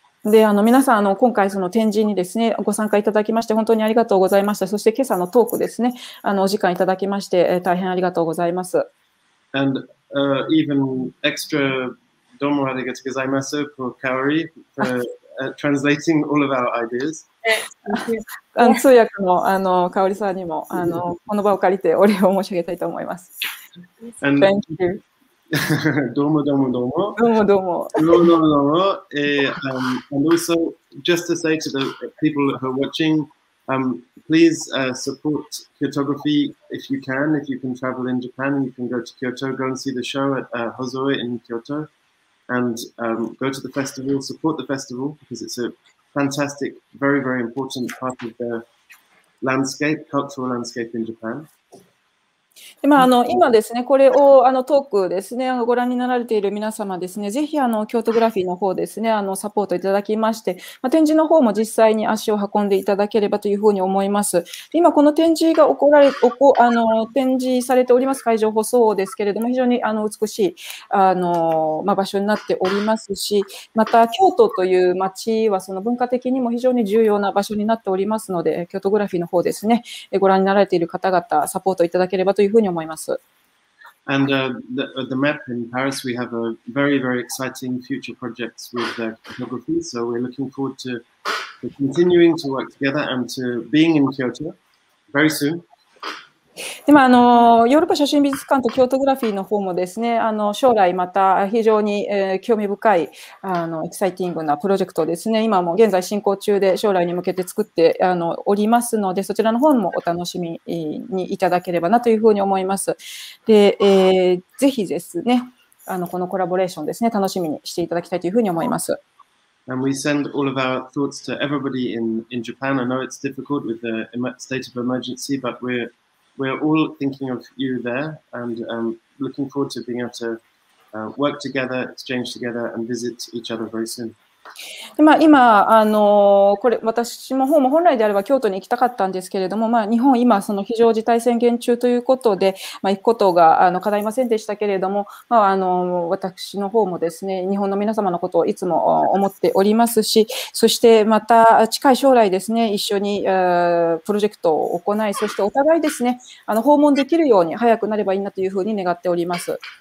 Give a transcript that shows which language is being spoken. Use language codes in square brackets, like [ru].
[ja] で、あの皆さんあの今回その展示にですねご参加いただきまして本当にありがとうございました。そして今朝のトークですねあのお時間いただきまして大変ありがとうございます。 [en] And even extra [ja] どうもありがとうございます [en] for Kaori for translating all of our ideas. [ja] 通訳のあの Kaori さんにもあのこの場を借りてお礼を申し上げたいと思います。 [en] And, Thank you. [ja] Domo, domo, domo. Domo, domo. Domo, domo, domo. [en] And also, just to say to the people who are watching, please support Kyotography if you can. If you can travel in Japan, you can go to Kyoto, go and see the show at Hozoe in Kyoto, and go to the festival, support the festival, because it's a fantastic, very, very important part of the landscape, cultural landscape in Japan. [ja] でまあ、あの今ですね、これをあのトークですね、ご覧になられている皆様ですね、ぜひあの京都グラフィーの方ですね、あのサポートいただきまして、まあ、展示の方も実際に足を運んでいただければというふうに思います。今、この展示が展示されております会場舗装ですけれども、非常にあの美しいあの、まあ、場所になっておりますし、また京都という街はその文化的にも非常に重要な場所になっておりますので、京都グラフィーの方ですね、ご覧になられている方々、サポートいただければというふうに思います。 [en] And the map in Paris, we have a very, very exciting future projects with the photography. So we're looking forward to continuing to work together and to being in Kyoto very soon. [ja] でもあのヨーロッパ写真美術館と京都グラフィーの方もですね、あの将来また非常に、興味深いあのエキサイティングなプロジェクトですね、今も現在進行中で将来に向けて作ってあのおりますので、そちらの方もお楽しみにいただければなというふうに思います。で、ぜひですね、あのこのコラボレーションですね、楽しみにしていただきたいというふうに思います。 [en] And we send all of our thoughts to everybody in Japan. I know it's difficult with the state of emergency, but we're all thinking of you there and looking forward to being able to work together, exchange together and visit each other very soon. [ja] まあ、今あのこれ私も方も本来であれば京都に行きたかったんですけれども、まあ、日本今その非常事態宣言中ということで、まあ、行くことがあの叶いませんでしたけれども、まあ、あの私の方もですね、日本の皆様のことをいつも思っておりますし、そしてまた近い将来ですね、一緒にプロジェクトを行い、そしてお互いですね、あの訪問できるように早くなればいいなというふうに願っております。